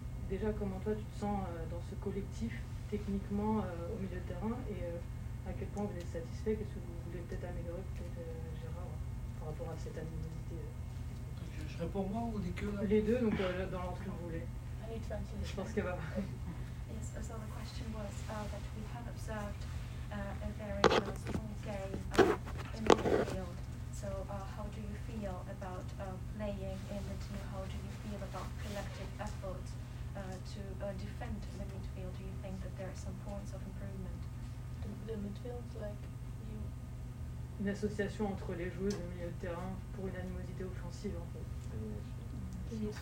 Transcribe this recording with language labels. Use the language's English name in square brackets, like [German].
[French] Déjà, comment toi, tu te sens dans ce collectif, techniquement, au milieu de terrain, et à quel point vous êtes satisfait? Qu'est-ce que vous voulez peut-être améliorer, peut-être, Gérard, hein, par rapport à cette animosité? Je réponds moi ou des que là? Les deux, donc dans l'ordre que vous voulez. Je pense qu'elle va. [English] Yes, so the question was that we have observed a very strong game in the field. So how do you feel about playing in the team? How do you feel about collective effort to defend the midfield? Do you think that there are some points of improvement? The midfield, like you... [French] Une association entre les joueuses au milieu de terrain pour une animosité offensive, en fait.